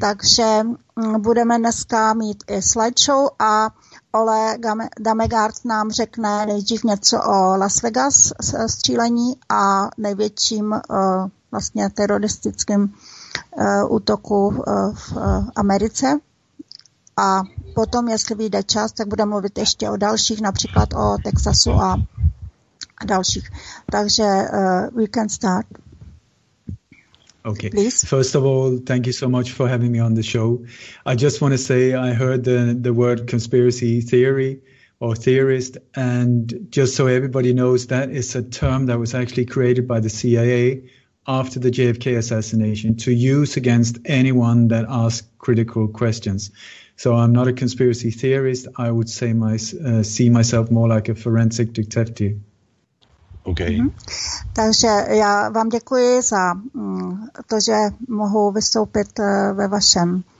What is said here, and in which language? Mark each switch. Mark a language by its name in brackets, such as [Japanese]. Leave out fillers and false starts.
[Czech] Takže budeme dneska mít i slideshow a Ole Damegard nám řekne nejdřív něco o Las Vegas střílení a největším vlastně teroristickým útoku v Americe. A potom, jestli vyjde čas, tak budeme mluvit ještě o dalších, například o Texasu a dalších. Takže [English] we can start. Okay. Please. First of all, thank you so much for having me on the show. I just want to say I heard the word conspiracy theory or theorist, and just so everybody knows, that is a term that was actually created by the CIA after the JFK assassination to use against anyone that asks critical questions. So I'm not a conspiracy theorist. I would say see myself more like a forensic detective. Okay. [Czech] Takže já vám děkuji za to, že mohu vystoupit ve vašem